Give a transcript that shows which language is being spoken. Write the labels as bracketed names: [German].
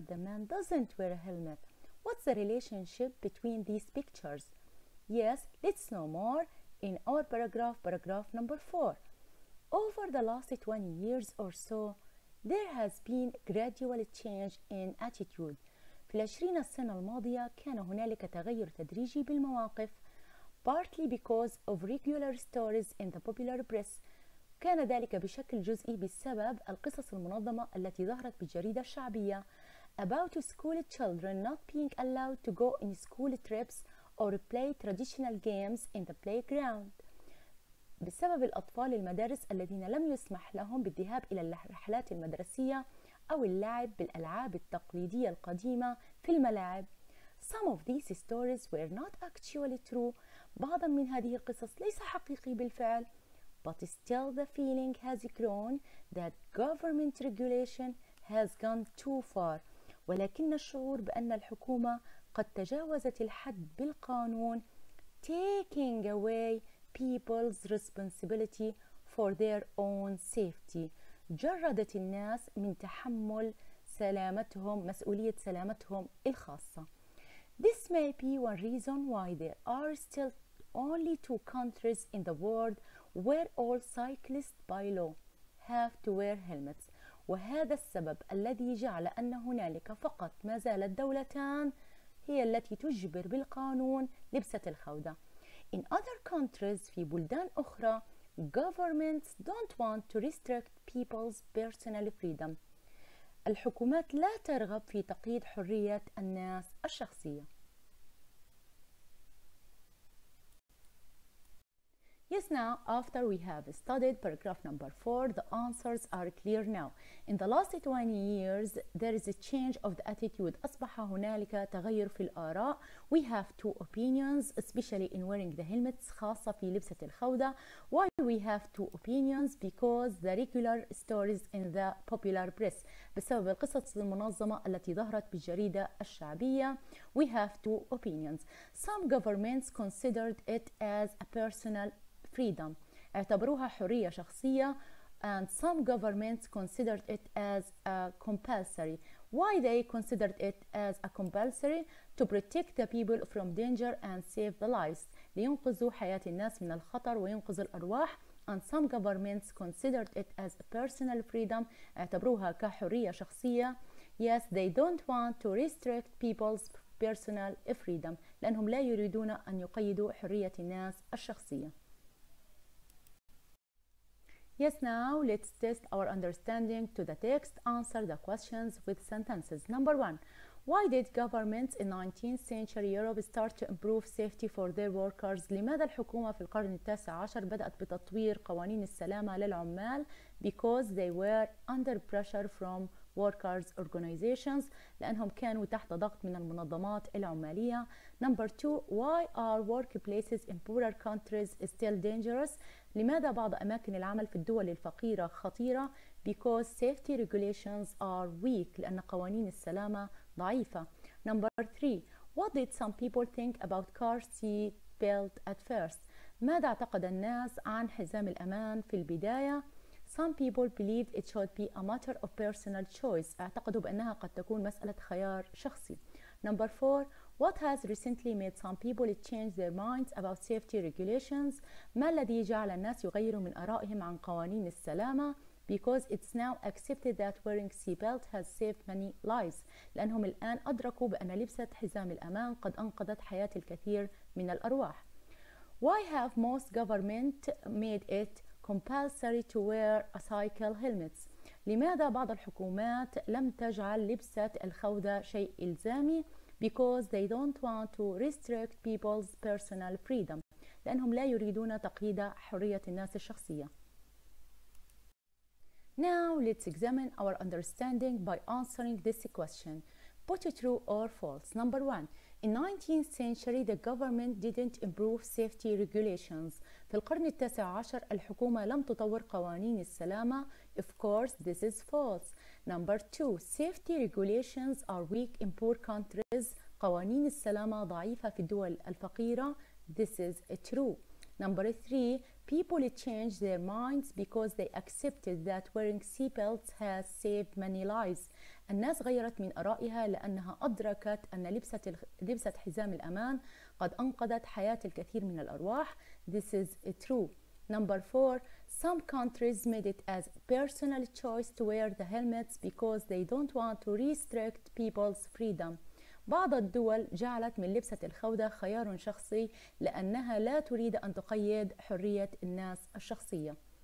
[English] The man doesn't wear a helmet. What's the relationship between these pictures? Yes, let's know more in our paragraph, paragraph number 4. Over the last 20 years or so, there has been gradual change in attitude. [Arabic] في العشرين السنة الماضية كان هنالك تغير تدريجي بالمواقف. [English] Partly because of regular stories in the popular press. [Arabic] كان ذلك بشكل جزئي بسبب القصص المنظمة التي ظهرت بالجريدة الشعبية. [English] About school children not being allowed to go in school trips or play traditional games in the playground. [Arabic] بسبب الأطفال المدارس الذين لم يسمح لهم بالذهاب إلى الرحلات المدرسية أو اللعب بالألعاب التقليدية القديمة في الملاعب. [English] Some of these stories were not actually true. [Arabic] بعض من هذه القصص ليس حقيقي بالفعل. [English] But still the feeling has grown that government regulation has gone too far. [Arabic] ولكن الشعور بأن الحكومة قد تجاوزت الحد بالقانون [English] taking away people's responsibility for their own safety. [Arabic] جردت الناس من تحمل سلامتهم مسؤولية سلامتهم الخاصة. [English] This may be one reason why there are still only two countries in the world where all cyclists by law have to wear helmets. [Arabic] وهذا السبب الذي جعل أن هنالك فقط ما زالت دولتان هي التي تجبر بالقانون لبسة الخودة. [English] In other countries, [Arabic] في بلدان أخرى, [English] governments don't want to restrict people's personal freedom. [Arabic] الحكومات لا ترغب في تقييد حرية الناس الشخصية. [English] Yes, now, after we have studied paragraph number 4, the answers are clear now. In the last 20 years, there is a change of the attitude. [Arabic] أصبح هنالك تغير في الآراء. [English] We have two opinions, especially in wearing the helmets, [Arabic] خاصة في لبسة الخوذة. [English] Why we have two opinions? Because the regular stories in the popular press. [Arabic] بسبب القصص المنظمة التي ظهرت بالجريدة الشعبية. [English] We have two opinions. Some governments considered it as a personal freedom. [Arabic] اعتبروها حرية شخصية. [English] And some governments considered it as a compulsory. Why they considered it as a compulsory? To protect the people from danger and save the lives. [Arabic] لينقذوا حياة الناس من الخطر وينقذوا الأرواح. [English] And some governments considered it as a personal freedom. [Arabic] اعتبروها كحرية شخصية. [English] Yes, they don't want to restrict people's personal freedom. [Arabic] لأنهم لا يريدون أن يقيدوا حرية الناس الشخصية. [English] Yes, now let's test our understanding to the text. Answer the questions with sentences. Number one, why did governments in 19th century Europe start to improve safety for their workers? [Arabic] لماذا الحكومة في القرن التاسع عشر بدأت بتطوير قوانين السلامة للعمال? [English] Because they were under pressure from workers' organizations. [Arabic] لأنهم كانوا تحت ضغط من المنظمات العمالية. [English] Number two, why are workplaces in poorer countries still dangerous? [Arabic] لماذا بعض أماكن العمل في الدول الفقيرة خطيرة؟ [English] Because safety regulations are weak. [Arabic] لأن قوانين السلامة ضعيفة. [English] Number three, what did some people think about car seat belt at first? [Arabic] ماذا اعتقد الناس عن حزام الأمان في البداية؟ [English] Some people believed it should be a matter of personal choice. [Arabic] اعتقدوا بأنها قد تكون مسألة خيار شخصي. [English] Number four, what has recently made some people change their minds about safety regulations? [Arabic] ما الذي جعل الناس يغيروا من آرائهم عن قوانين السلامة? [English] Because it's now accepted that wearing seatbelt has saved many lives. [Arabic] لأنهم الآن أدركوا بأن لبسة حزام الأمان قد أنقذت حياة الكثير من الأرواح. [English] Why have most government made it compulsory to wear a cycle helmets? [Arabic] لماذا بعض الحكومات لم تجعل لبسة الخوذة شيء إلزامي? [English] Because they don't want to restrict people's personal freedom. [Arabic] لأنهم لا يريدون تقييد حرية الناس الشخصية. [English] Now let's examine our understanding by answering this question. Put it true or false. Number one, in 19th century, the government didn't improve safety regulations. [Arabic] في القرن التاسع عشر الحكومة لم تطور قوانين السلامة. [English] Of course, this is false. Number two, safety regulations are weak in poor countries. [Arabic] قوانين السلامة ضعيفة في الدول الفقيرة. [English] This is true. Number three, People changed their minds because they accepted that wearing seatbelts has saved many lives. [Arabic] الناس غيرت من آرائها لأنها أدركت أن لبسة حزام الأمان قد أنقذت حياة الكثير من الأرواح. [English] This is true. Number four, some countries made it as a personal choice to wear the helmets because they don't want to restrict people's freedom. [Arabic] بعض الدول جعلت من لبسة الخوذة خيار شخصي لأنها لا تريد أن تقيد حرية الناس الشخصية.